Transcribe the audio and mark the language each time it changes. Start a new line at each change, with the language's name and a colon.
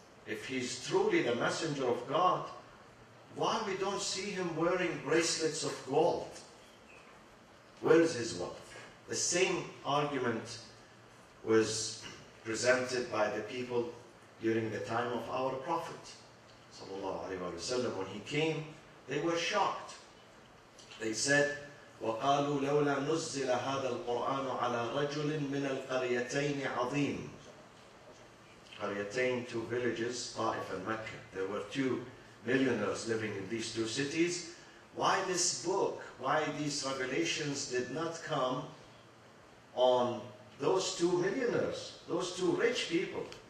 English: If he's truly the messenger of God, why we don't see him wearing bracelets of gold? Where's his wealth? The same argument was presented by the people during the time of our Prophet sallallahu alaihi wasallam. When he came, they were shocked. They said,
Arabic: وَقَالُوا لَوْلَا نُزِّلَ هَذَا الْقُرْآنُ عَلَى رَجُلٍ مِّنَ الْقَرْيَتَيْنِ عَظِيمٍ.
English: Qaryatayn, two villages, Taif and Mecca. There were two millionaires living in these two cities. Why this book, why these revelations did not come on those two millionaires, those two rich people?